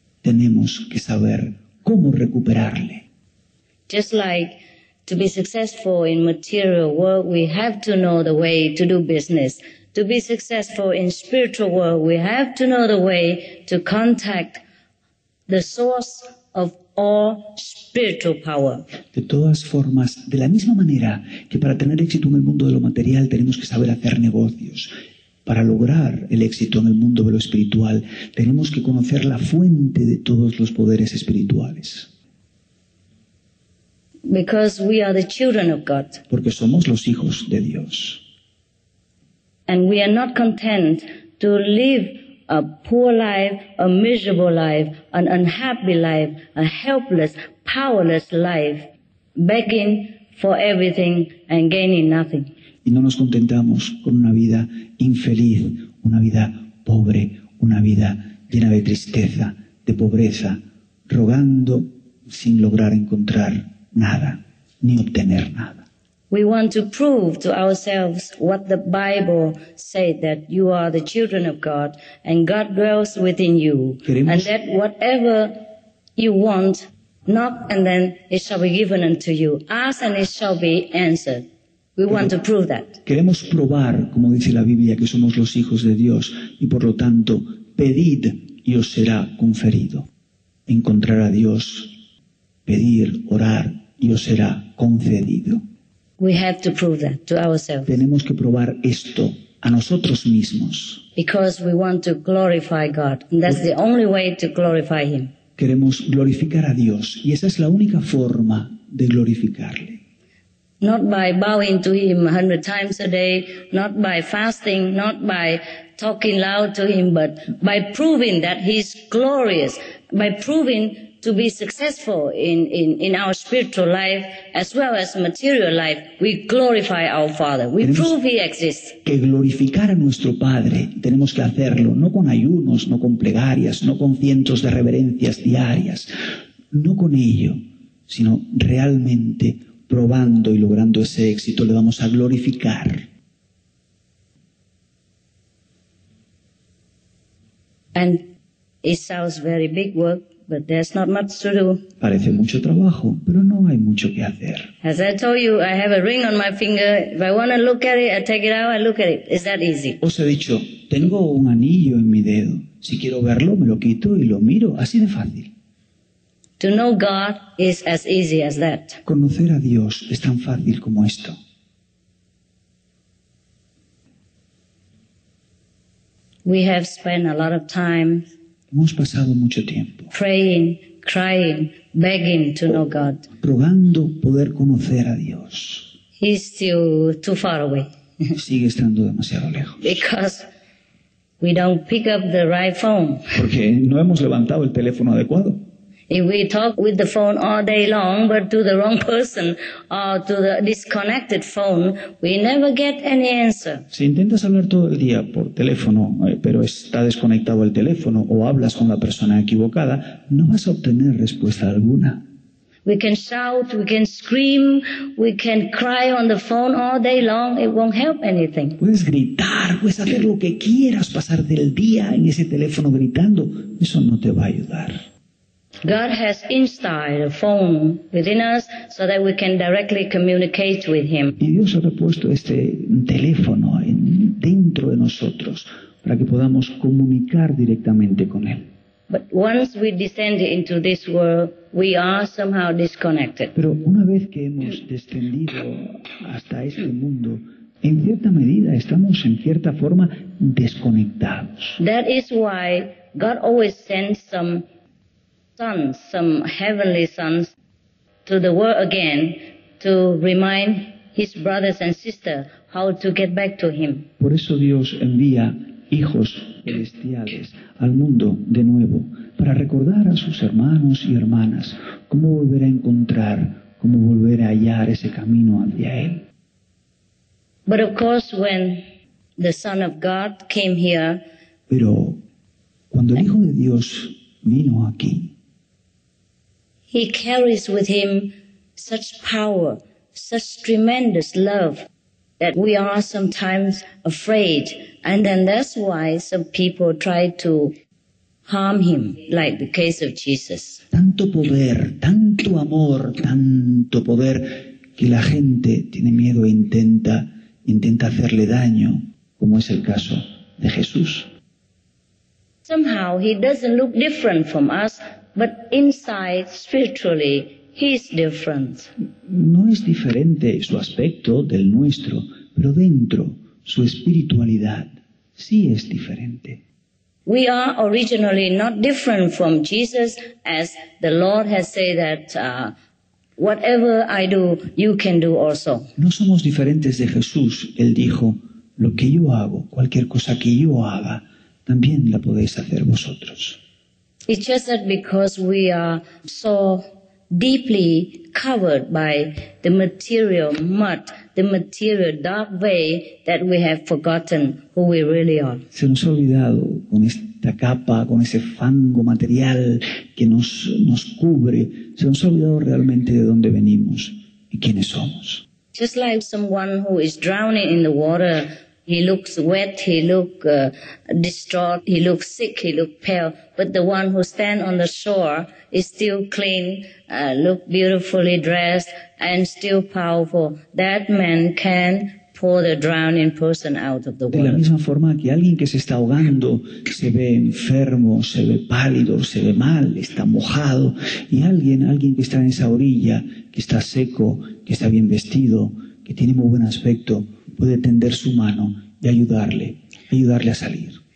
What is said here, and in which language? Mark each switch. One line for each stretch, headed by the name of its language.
Spanish: Tenemos que saber cómo recuperarle.
English: Just like to be successful in material world, we have to know the way to do business. To be successful in spiritual world, we have to know the way to contact the source of all spiritual power.
Spanish: De todas formas, de la misma manera que para tener éxito en el mundo de lo material tenemos que saber hacer negocios, para lograr el éxito en el mundo de lo espiritual tenemos que conocer la fuente de todos los poderes espirituales.
English: Because we are the children of God.
Spanish: Porque somos los hijos de Dios.
English: And we are not content to live a poor life, a miserable life, an unhappy life, a helpless, powerless life, begging for everything and gaining nothing.
Spanish: Y no nos contentamos con una vida infeliz, una vida pobre, una vida llena de tristeza, de pobreza, rogando sin lograr encontrar nada, ni obtener nada.
English: We want to prove to ourselves what the Bible said, that you are the children of God and God dwells within you.
Spanish: ¿Queremos?
English: And that whatever you want, knock and then it shall be given unto you. Ask and it shall be answered. We want to prove that.
Spanish: Queremos probar, como dice la Biblia, que somos los hijos de Dios y por lo tanto, pedid y os será conferido. Encontrar a Dios, pedir, orar y os será concedido.
English: We have to prove that to ourselves.
Spanish: Tenemos que probar esto a nosotros mismos.
English: Because we want to glorify God. And that's the only way to glorify Him.
Spanish: Queremos glorificar a Dios y esa es la única forma de glorificarle.
English: Not by bowing to Him 100 times a day, not by fasting, not by talking loud to Him, but by proving that He's glorious, by proving to be successful in our spiritual life as well as material life, we glorify our Father. We prove He exists.
Spanish: Que glorificar a nuestro Padre, tenemos que hacerlo no con ayunos, no con plegarias, no con cientos de reverencias diarias, no con ello, sino realmente probando y logrando ese éxito, le vamos a glorificar.
English: And it sounds very big work, but there's not much to do.
Spanish: Parece mucho trabajo, pero no hay mucho que hacer.
English: As I told you, I have a ring on my finger. If I want to look at it, I take it out, I look at it. Is that easy?
Spanish: Os he dicho, tengo un anillo en mi dedo. Si quiero verlo, me lo quito y lo miro. Así de fácil.
English: To know God is as easy as that.
Spanish: Conocer a Dios es tan fácil como esto.
English: We have spent a lot of time.
Spanish: Hemos pasado mucho tiempo.
English: Praying, crying, begging to know God.
Spanish: Rogando poder conocer a Dios.
English: He's still too far away.
Spanish: Sigue estando demasiado lejos.
English: Because we don't pick up the right phone.
Spanish: Porque no hemos levantado el teléfono adecuado.
English: If we talk with the phone all day long, but to the wrong person, or to the disconnected phone, we never get any answer.
Spanish: Si intentas hablar todo el día por teléfono, pero está desconectado el teléfono, o hablas con la persona equivocada, no vas a obtener respuesta alguna.
English: We can shout, we can scream, we can cry on the phone all day long, it won't help anything.
Spanish: Puedes gritar, puedes hacer lo que quieras, pasar del día en ese teléfono gritando, eso no te va a ayudar.
English: God has installed a phone within us so that we can directly communicate with Him.
Spanish: Y Dios ha puesto este teléfono dentro de nosotros para que podamos comunicar directamente con Él.
English: But once we descend into this world, we are somehow disconnected.
Spanish: Pero una vez que hemos descendido hasta este mundo, en cierta medida estamos en cierta forma desconectados.
English: That is why God always sends some sons, some heavenly sons, to the world again to remind His brothers and sisters how to get back to Him.
Spanish: Por eso Dios envía hijos celestiales al mundo de nuevo para recordar a sus hermanos y hermanas cómo volver a encontrar, cómo volver a hallar ese camino hacia Él.
English: But of course, when the Son of God came here,
Spanish: pero cuando el Hijo de Dios vino aquí,
English: He carries with Him such power, such tremendous love, that we are sometimes afraid. And then that's why some people try to harm Him, like the case of Jesus.
Spanish: Tanto poder, tanto amor, tanto poder, que la gente tiene miedo e intenta hacerle daño, como es el caso de Jesús.
English: Somehow He doesn't look different from us, but inside, spiritually, He's different.
Spanish: No es diferente su aspecto del nuestro, pero dentro, su espiritualidad sí es diferente.
English: We are originally not different from Jesus, as the Lord has said that whatever I do, you can do also.
Spanish: No somos diferentes de Jesús. Él dijo, lo que yo hago, cualquier cosa que yo haga, también la podéis hacer vosotros.
English: It's just that because we are so deeply covered by the material mud the material dark way that we have forgotten who we really are.
Spanish: Se nos ha olvidado con esta capa, con ese fango material que nos cubre, se nos ha olvidado realmente de dónde venimos y quiénes somos.
English: Just like someone who is drowning in the water, he looks wet, he looks distraught, he looks sick, he looks pale, but the one who stands on the shore is still clean, looks beautifully dressed, and still powerful. That man can pull the drowning person out of the water.
Spanish: De la misma forma que alguien que se está ahogando se ve enfermo, se ve pálido, se ve mal, está mojado, y alguien que está en esa orilla, que está seco, que está bien vestido, que tiene muy buen aspecto, puede tender su mano y ayudarle a salir.